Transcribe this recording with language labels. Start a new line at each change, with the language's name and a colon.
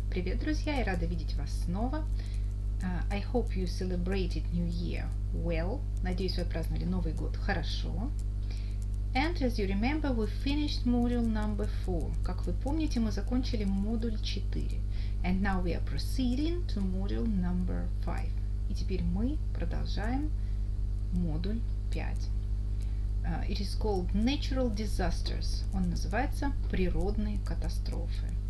Russian: Привет, друзья, и рада видеть вас снова.
English: I hope you celebrated New Year well.
Russian: Надеюсь, вы отпраздновали Новый год хорошо.
English: And as you remember, we finished module number 4.
Russian: Как вы помните, мы закончили модуль 4.
English: And now we are proceeding to module number 5.
Russian: И теперь мы продолжаем модуль 5.
English: It is called Natural Disasters.
Russian: Он называется «Природные катастрофы».